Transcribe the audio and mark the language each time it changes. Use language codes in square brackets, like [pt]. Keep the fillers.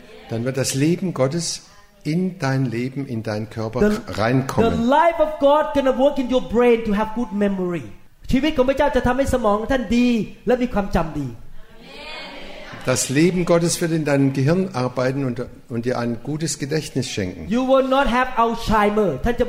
[de] Dann wird das Leben Gottes in dein Leben, in deinen Körper the, reinkommen. [en] The life of God gonna work in your brain to have good memory. [th] ชีวิตของพระเจ้าจะทำให้สมองท่านดีและมีความจำดี [de] das Leben Gottes wird in deinem Gehirn arbeiten und, und, dir ein gutes Gedächtnis schenken. [en] You will not have Alzheimer.